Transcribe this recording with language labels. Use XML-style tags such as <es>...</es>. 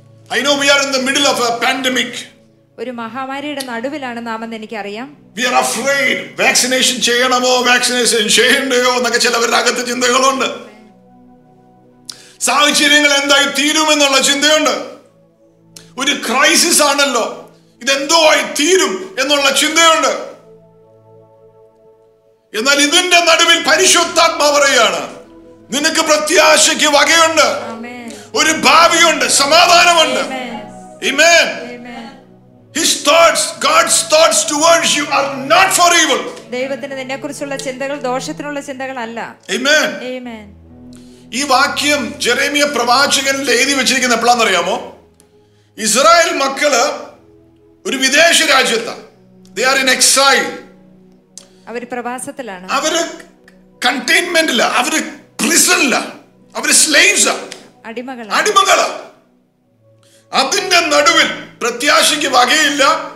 <en>I know we are in the middle of a pandemic.</en> <ml>ഒരു മഹാമാരിയുടെ നടുവിലാണ് നാമെന്ന് എനിക്കറിയാം.</ml> <en>We are afraid.</en> <ml>വാക്സിനേഷൻ ചെയ്യണമോ വാക്സിനേഷൻ ചെയ്യണ്ടയോ എന്നൊക്കെ ചിലവരുടെ അകത്ത് ചിന്തകളുണ്ട്. സാഹചര്യങ്ങൾ എന്തായി തീരുമെന്നുള്ള ചിന്തയുണ്ട്. ഒരു ക്രൈസിസ് ആണല്ലോ, ഇതെന്തോ ആയി തീരും എന്നുള്ള ചിന്തയുണ്ട്. എന്നാൽ ഇതിന്റെ നടുവിൽ പരിശുദ്ധാത്മാവ് പറയുകയാണ്, നിനക്ക് പ്രത്യാശയ്ക്ക് വകയുണ്ട്, ഒരു ഭാവിയുണ്ട്, സമാധാനമുണ്ട്. ആമേൻ.</ml> <en>His thoughts, God's thoughts towards you are not for evil.</en> <ml>ദൈവത്തിന്റെ നിന്നെക്കുറിച്ചുള്ള ചിന്തകൾ ദോഷത്തിനുള്ള ചിന്തകളല്ല. ആമേൻ. ഈ വാക്യം ജെറമിയ പ്രവാചകനിൽ എഴുതി വെച്ചിരിക്കുന്ന എപ്പോഴാണെന്നറിയാമോ? ഇസ്രായേൽ മക്കള് ഒരു വിദേശ രാജ്യത്താശയ്ക്ക് വകയില്ല.</ml>